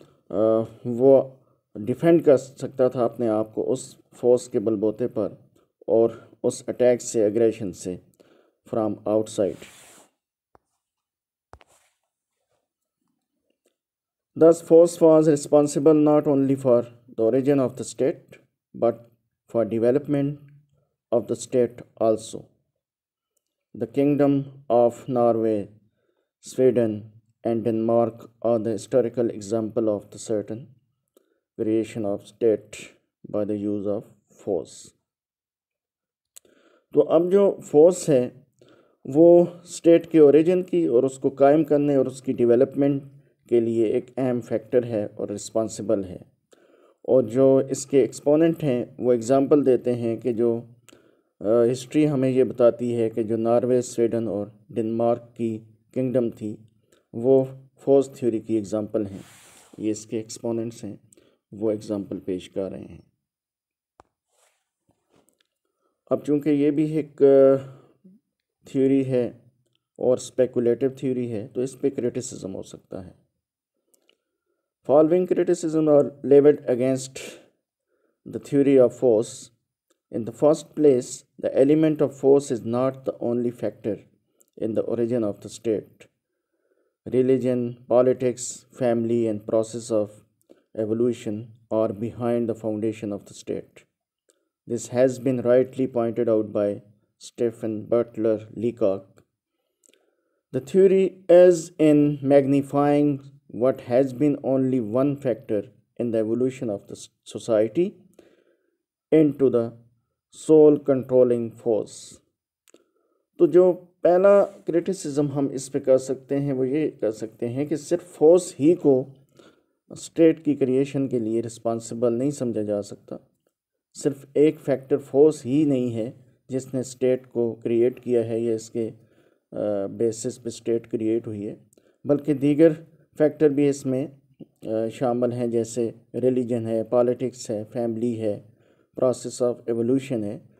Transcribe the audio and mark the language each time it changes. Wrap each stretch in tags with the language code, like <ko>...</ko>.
<ur>وہ ڈیفینڈ کر سکتا تھا اپنے آپ کو اس فورس کے بل بوتے پر اور اس اٹیک سے اگریشن سے from out side.</ur> <en>Thus, force was responsible not only for the origin of the state, but for development of the state also. The kingdom of Norway, Sweden, and Denmark are the historical example of the certain variation of state by the use of force.</en> <ur>تو اب جو force ہے وہ state کے origin کی اور اس کو قائم کرنے اور اس کی ڈیولپمنٹ کے لیے ایک اہم فیکٹر ہے اور رسپانسیبل ہے. اور جو اس کے ایکسپوننٹ ہیں وہ ایگزامپل دیتے ہیں کہ جو ہسٹری ہمیں یہ بتاتی ہے کہ جو ناروے، سویڈن اور ڈنمارک کی کنگڈم تھی وہ فورس تھیوری کی ایگزامپل ہیں. یہ اس کے ایکسپوننٹس ہیں، وہ ایگزامپل پیش کر رہے ہیں. اب چونکہ یہ بھی ایک تھیوری ہے اور اسپیکولیٹو تھیوری ہے تو اس پہ کرٹیسزم ہو سکتا ہے.</ur> <en>Following criticism are levelled against the theory of force. In the first place, the element of force is not the only factor in the origin of the state. Religion, politics, family and process of evolution are behind the foundation of the state. This has been rightly pointed out by Stephen Butler Leacock. The theory is in magnifying what has been only one factor in the evolution of the society into the sole controlling force.</en> <ur>تو جو پہلا criticism ہم اس پہ کر سکتے ہیں وہ یہ کر سکتے ہیں کہ صرف فورس ہی کو اسٹیٹ کی کریشن کے لیے رسپانسیبل نہیں سمجھا جا سکتا. صرف ایک فیکٹر فورس ہی نہیں ہے جس نے اسٹیٹ کو کریٹ کیا ہے یا اس کے بیسس پہ اسٹیٹ کریٹ ہوئی ہے، بلکہ دیگر فیکٹر بھی اس میں شامل ہیں، جیسے ریلیجن ہے، پالیٹکس ہے، فیملی ہے، پروسیس آف ایولیوشن ہے.</ur>